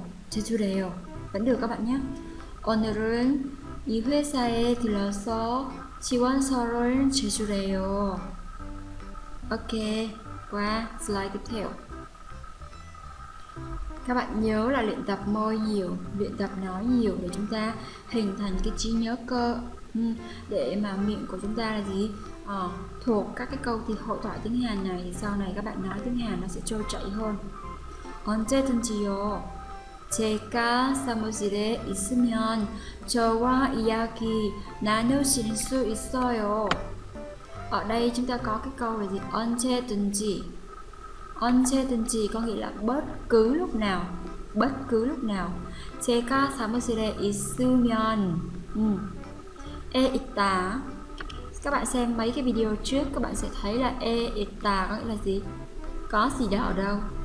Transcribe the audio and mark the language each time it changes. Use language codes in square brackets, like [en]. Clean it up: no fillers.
[vi] 제출해요 vẫn được các bạn nhé. [ko] 오늘은 이 회사에 들러서 지원서를 제출해요. [vi] Ok, qua slide tiếp theo. Các bạn nhớ là luyện tập môi nhiều, luyện tập nói nhiều để chúng ta hình thành cái trí nhớ cơ, để mà miệng của chúng ta là gì, thuộc các cái câu thì hội thoại tiếng Hàn này, thì sau này các bạn nói tiếng Hàn nó sẽ trôi chảy hơn. [ko] 언제든지요. 제가 사무실에 있으면 저와 이야기 나누실 수 있어요. [vi] Ở đây chúng ta có cái câu là gì? [ko] 언제든지. [vi] 언제든지 có nghĩa là bất cứ lúc nào. Bất cứ lúc nào. [ko] 제가 사무실에 있으면. 에 있다. [vi] Các bạn xem mấy cái video trước, các bạn sẽ thấy là 에 있다 có nghĩa là gì? Có gì đó ở đâu.